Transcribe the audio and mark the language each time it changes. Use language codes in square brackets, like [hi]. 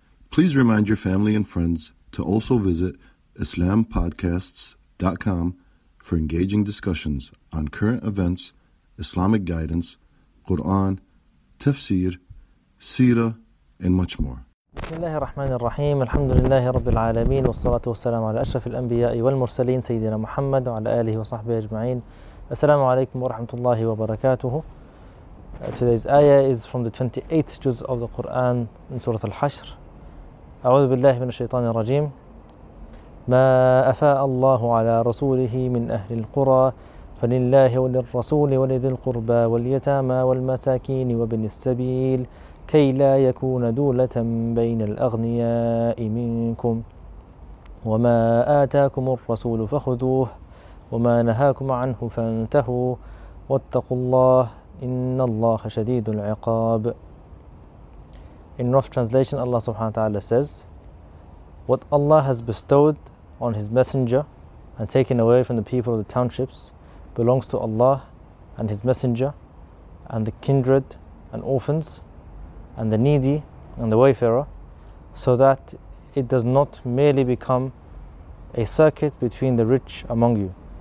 [en] Please remind your family and friends to also visit IslamPodcasts.com for engaging discussions on current events, Islamic guidance, Quran, tafsir, seerah, and much more. [ar] بسم الله الرحمن الرحيم الحمد لله رب العالمين والصلاة والسلام على أشرف الأنبياء والمرسلين سيدنا محمد وعلى آله وصحبه أجمعين السلام عليكم ورحمة الله وبركاته. [en] Today's ayah is from the 28th juz of the Quran in Surah Al-Hashr. [ar] أعوذ بالله من الشيطان الرجيم. ما أفاء الله على رسوله من أهل القرى فلله وللرسول ولذي القربى واليتامى والمساكين وابن السبيل كي لا يكون دولة بين الأغنياء منكم وما آتاكم الرسول فخذوه وما نهاكم عنه فانتهوا واتقوا الله إن الله شديد العقاب. [en] In rough translation, Allah subhanahu wa ta'ala says, what Allah has bestowed on His Messenger and taken away from the people of the townships belongs to Allah and His Messenger and the kindred and orphans and the needy and the wayfarer, so that it does not merely become a circuit between the rich among you.